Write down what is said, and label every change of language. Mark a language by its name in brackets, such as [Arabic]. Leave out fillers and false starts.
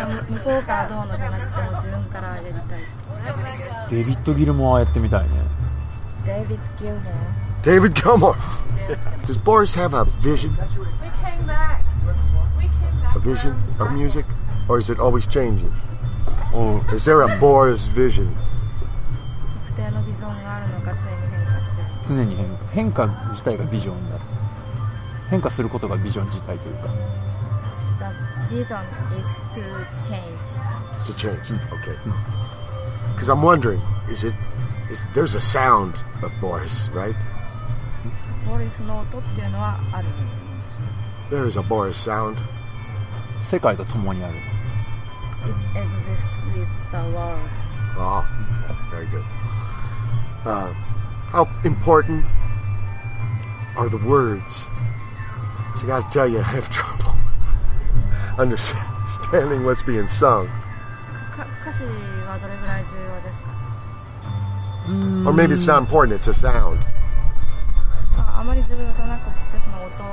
[Japanese] 向こうからどうのじゃなくても自分からやりたい。デビッド・ギルモアやってみたいね。デビッド・ギルモア。デビッド・ギルモア。 [English] Does Boris have a vision? We came back A vision of music, or is it always changing? Oh, is there a Boris vision? [Japanese] 特定のビジョンがあるのか常に変化してる。常に変化。変化自体がビジョンだ。変化することがビジョン自体というか。 [English] The vision is to change. To change. Okay. Because I'm wondering, is there's a sound of Boris, right? [Japanese] Boris の音っていうのはある。 [English] There is a Boris sound. [Japanese] 世界と共にある。 [English] It exists with the world. Ah, very good. How important are the words? So I gotta tell you, I have trouble understanding what's being sung. [Japanese] 歌詞はどれぐらい重要ですか [English] Or maybe it's not important, it's a sound. [Japanese] あまり重要じゃなくて、その音。